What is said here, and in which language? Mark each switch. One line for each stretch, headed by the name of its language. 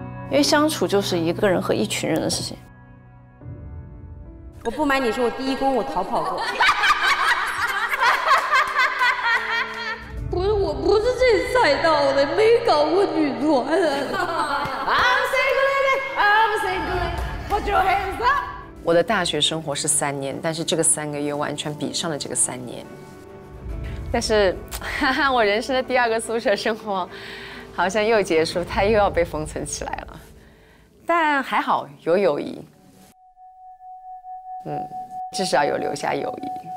Chinese: 因为相处就是一个人和一群人的事情。我不瞒你说，我第一宫我逃跑过。不是，我不是这赛道的，没搞过女团。
English: I'm single lady, I'm single lady, put your hands up。
Chinese: 我的大学生活是三年，但是这个三个月完全比上了这个三年。但是，我人生的第二个宿舍生活，好像又结束，它又要被封存起来了。但还好有友谊，嗯，至少有留下友谊。